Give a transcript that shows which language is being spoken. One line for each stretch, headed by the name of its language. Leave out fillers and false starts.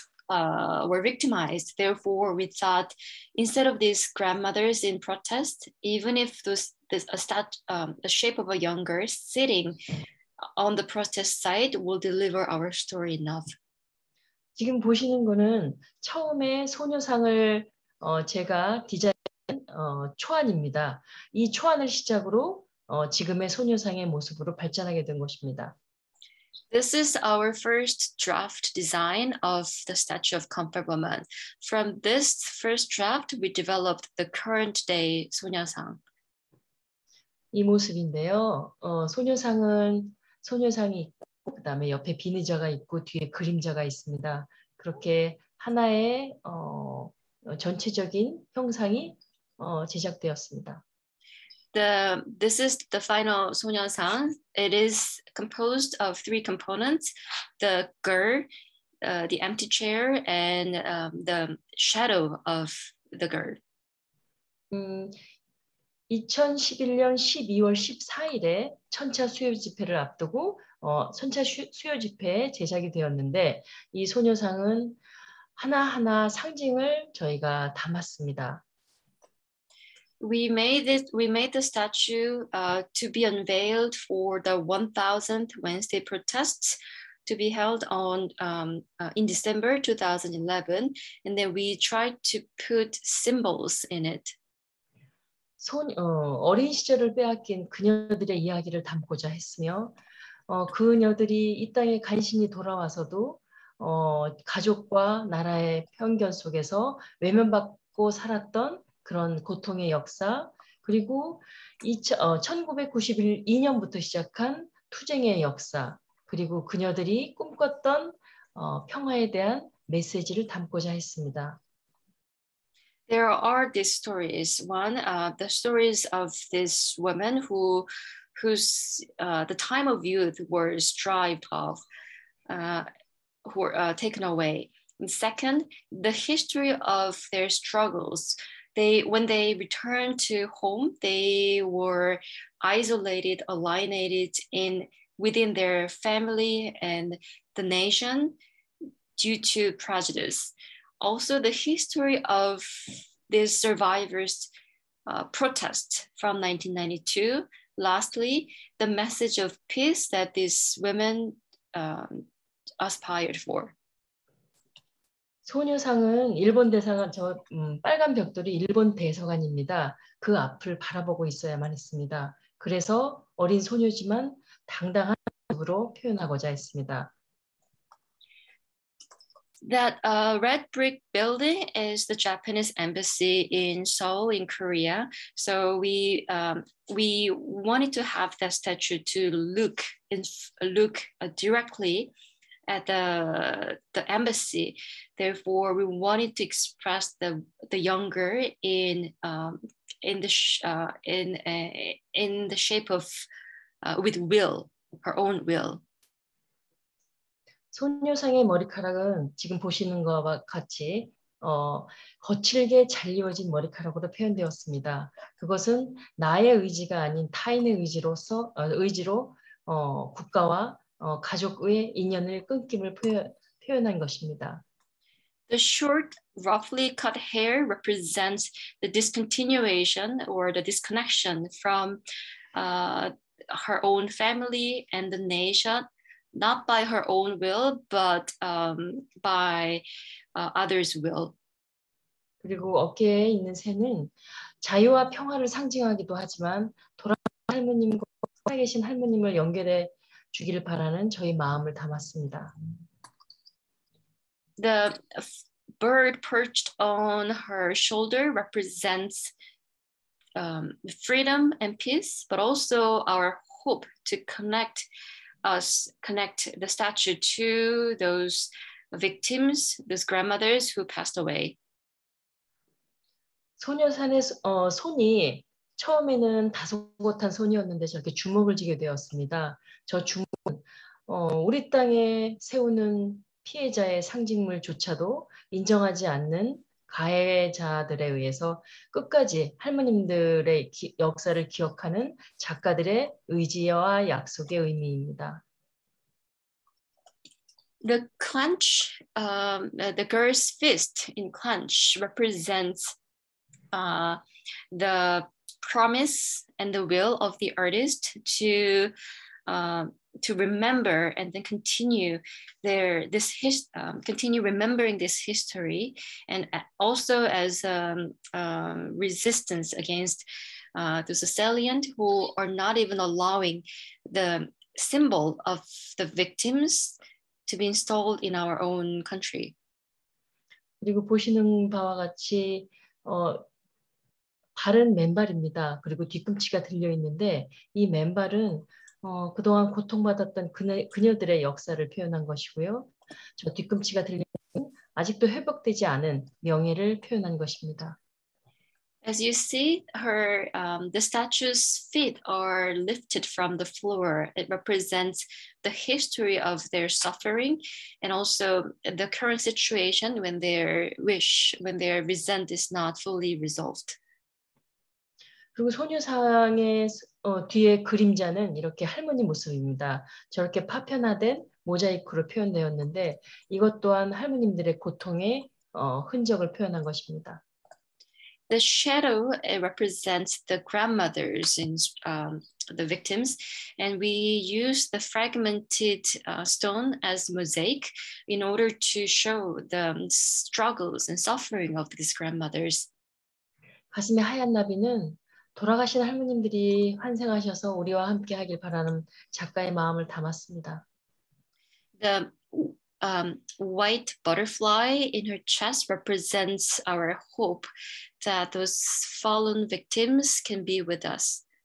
English: Were victimized. Therefore, we thought instead of these grandmothers in protest, even if this a shape of a young girl sitting, on the protest side will deliver our story enough.
Korean: 지금 보시는 거는 처음에 소녀상을 제가 디자인한 초안입니다. 이 초안을 시작으로 지금의 소녀상의 모습으로 발전하게 된 것입니다.
English: This is our first draft design of the statue of Comfort Woman. From this first draft, we developed the current day 소녀상.
Korean: 이 모습인데요. 소녀상은 소녀상이 있고 그다음에 옆에 빈 의자가 있고 뒤에 그림자가 있습니다. 그렇게 하나의 전체적인 형상이 제작되었습니다.
English: This is the final 소녀상. It is composed of three components: the girl, the empty chair, and the shadow of the girl.
Korean: 2011년 12월 14일에 천차 수요 집회를 앞두고 천차 수요 집회에 제작이 되었는데 이 소녀상은 하나하나 상징을 저희가 담았습니다.
English: We made the statue to be unveiled for the 1000th Wednesday protests to be held on in December 2011 and then we tried to put symbols in it.
Korean: 어린 시절을 빼앗긴 그녀들의 이야기를 담고자 했으며 그녀들이 이 땅에 간신히 돌아와서도 가족과 나라의 편견 속에서 외면받고 살았던 그런 고통의 역사 그리고 1992년부터 시작한 투쟁의 역사 그리고 그녀들이 꿈꿨던 평화에 대한 메시지를 담고자 했습니다.
English: There are these stories. One, the stories of this woman the time of youth was deprived of, taken away. And second, the history of their struggles. When they returned to home, they were isolated, alienated within their family and the nation due to prejudice. Also, the history of these survivors' protest from 1992. Lastly, the message of peace that these women aspired for.
Korean: 소녀상은 일본 대사관 빨간 벽돌이 일본 대사관입니다. 그 앞을 바라보고 있어야만 했습니다. 그래서 어린 소녀지만 당당한 모습으로 표현하고자 했습니다.
English: That red brick building is the Japanese embassy in Seoul in Korea. So we wanted to have that statue to look directly at the embassy. Therefore, we wanted to express the younger in the shape of with will, her own will.
Korean: 소녀상의 머리카락은 지금 보시는 것과 같이 거칠게 잘 이어진 머리카락으로 표현되었습니다. 그것은 나의 의지가 아닌 타인의 의지로서 의지로 국가와 가족의 인연을 끊김을 표현한 것입니다.
English: The short, roughly cut hair represents the discontinuation or the disconnection from her own family and the nation. Not by her own will, but by others' will.
Korean: 그리고 어깨에 있는 새는 자유와 평화를 상징하기도 하지만 돌아가신 할머님과 살아계신 할머님을 연결해 주기를 바라는 저희 마음을 담았습니다.
English: The bird perched on her shoulder represents freedom and peace, but also our hope to connect the statue to those victims, those grandmothers who passed away.
Korean: 소녀상의 손이 처음에는 다소곳한 손이었는데 저렇게 주먹을 쥐게 되었습니다. 저 주먹은 우리 땅에 세우는 피해자의 상징물조차도 인정하지 않는 가해자들에 의해서 끝까지 할머님들의 역사를 기억하는 작가들의 의지와 약속의 의미입니다.
English: The clench, the girl's fist in clench represents the promise and the will of the artist to to remember and then continue their this continue remembering this history, and also as resistance against those assailant who are not even allowing the symbol of the victims to be installed in our own country.
Korean: 그리고 보시는 바와 같이 바른 맨발입니다. 그리고 뒤꿈치가 들려 있는데 이 맨발은 그동안 고통받았던 그녀들의 역사를 표현한 것이고요. 저 뒤꿈치가 들려 있는 아직도 회복되지 않은 명예를 표현한 것입니다.
English: As you see, her the statue's feet are lifted from the floor. It represents the history of their suffering and also the current situation when their wish, when their resent is not fully resolved.
Korean: 그리고 소녀상의 뒤에 그림자는 이렇게 할머니 모습입니다. 저렇게 파편화된 모자이크로 표현되었는데 이것 또한 할머님들의 고통의 흔적을 표현한 것입니다.
English: The shadow represents the grandmothers and the victims, and we use the fragmented stone as mosaic in order to show the struggles and suffering of these grandmothers.
Korean: 가슴에 하얀 나비는 돌아가신 할머님들이 환생하셔서 우리와 함께 하길 바라는 작가의 마음을 담았습니다.
English: The white butterfly in her chest represents our hope that those fallen victims can be with us.